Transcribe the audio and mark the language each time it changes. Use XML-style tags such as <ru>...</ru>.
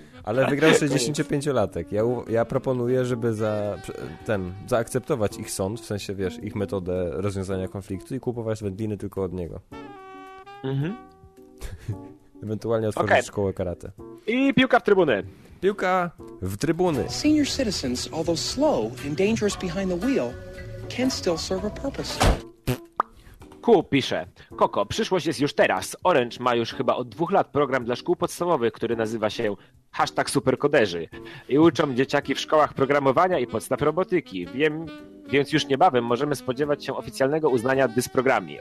<pl>Ale wygrał 65-latek. Ja proponuję, żeby zaakceptować ich sąd, w sensie, wiesz, ich metodę rozwiązania konfliktu i kupować wędliny tylko od niego. Mhm. Ewentualnie otworzyć szkołę karate. I piłka w trybuny. Piłka w trybuny.</pl> <en>Senior citizens, although slow and dangerous behind the wheel, can still serve a purpose.</en> <pl>Ku pisze, Koko, przyszłość jest już teraz. Orange ma już chyba od 2 lat program dla szkół podstawowych, który nazywa się hashtag superkoderzy. I uczą dzieciaki w szkołach programowania i podstaw robotyki. Wiem, więc już niebawem możemy spodziewać się oficjalnego uznania dysprogrammi.</pl>